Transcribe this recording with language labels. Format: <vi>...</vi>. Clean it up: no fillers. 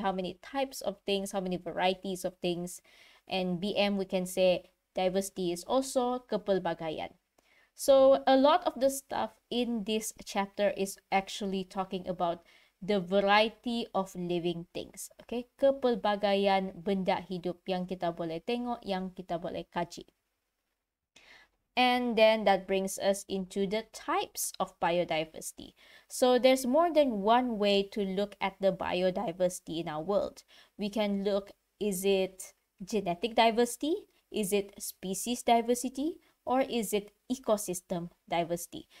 <en>How many types of things, how many varieties of things. And BM, we can say diversity is also kepelbagaian. So a lot of the stuff in this chapter is actually talking about the variety of living things, okay?</en> <ms>Kepelbagaian benda hidup yang kita boleh tengok, yang kita boleh kaji.</ms> <en>And then that brings us into the types of biodiversity. So there's more than one way to look at the biodiversity in our world. We can look, is it genetic diversity? Is it species diversity? Or is it ecosystem diversity?</en>